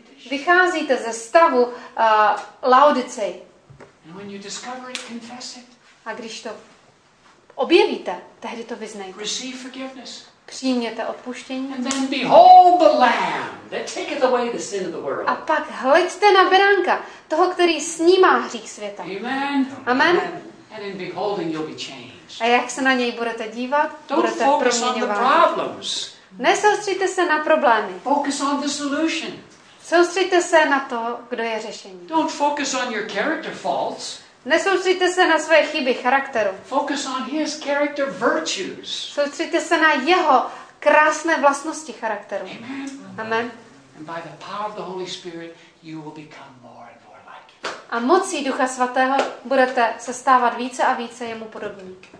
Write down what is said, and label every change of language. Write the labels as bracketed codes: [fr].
[cs] Vycházíte ze stavu Laodicei. [en] And when you discover it, confess it. [cs] A když to objevíte, tehdy to vyznejte. [en] Receive forgiveness. [cs] Přijměte odpuštění. [en] And then behold the Lamb that taketh away the sin of the world. [cs] A pak hleďte na beránka, toho, který snímá hřích světa. [en] Amen. [cs] Amen. [en] And in beholding you'll be changed. [cs] A jak se na něj budete dívat, budete proměňováni. Nesoustřeďte se na problémy. [en] Focus on the solution. [cs] Soustřeďte se na to, kdo je řešení. [en] Don't focus on your character faults. [cs] Nesoustřeďte se na své chyby charakteru. [en] Focus on his character virtues. [cs] Soustřeďte se na jeho krásné vlastnosti charakteru. [en] Amen. [cs] Amen. [en] And by the power of the Holy Spirit you will become more. [cs] A mocí Ducha Svatého budete se stávat více a více jemu podobní.